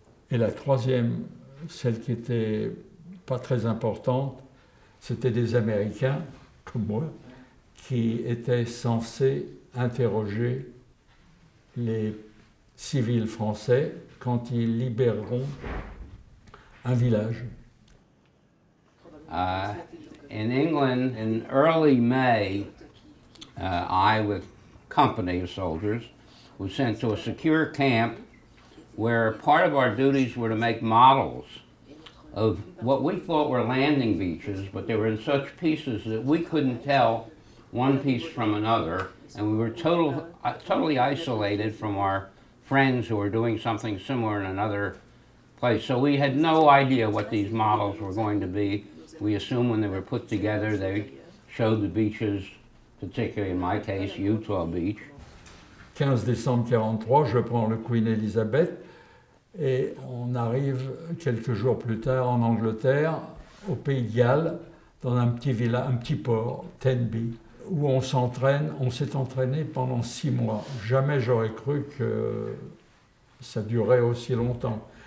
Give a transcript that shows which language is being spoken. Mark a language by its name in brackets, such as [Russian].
[French] Et la troisième, celle qui n'était pas très importante, c'était des Américains, comme moi, qui étaient censés interroger les civils français quand ils libéreront un village. [English] In England, in early May, I, with a company of soldiers, was sent to a secure camp where part of our duties were to make models of what we thought were landing beaches, but they were in such pieces that we couldn't tell one piece from another, and we were totally isolated from our friends who were doing something similar in another place. So we had no idea what these models were going to be. We assumed when they were put together, they showed the beaches, particularly in my case, Utah Beach. [French] 15 décembre 43, je prends le Queen Elizabeth, et on arrive quelques jours plus tard en Angleterre, au Pays de Galles, dans un petit village, un petit port, Tenby. Où on s'entraîne, on s'est entraîné pendant 6 mois. Jamais j'aurais cru que ça durait aussi longtemps.